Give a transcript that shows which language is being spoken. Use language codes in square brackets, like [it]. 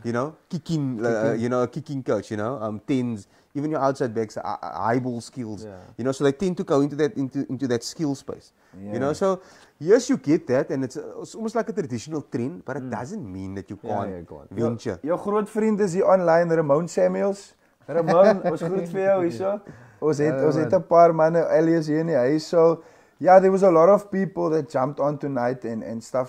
[en] You know, kicking. You know, a kicking coach. You know, tens. Even your outside backs, eyeball skills. Yeah. You know, so they tend to go into that into that skill space. Yeah. You know, so yes, you get that, and it's almost like a traditional trend, but it doesn't mean that you can't venture. [af] Your groot vriend is hier online, Ramon Samuels. Ramon, ons groet vir jou hierso. Ons het 'n paar manne alias hier in die huis, so. [en] Yeah, there was a lot of people that jumped on tonight and stuff.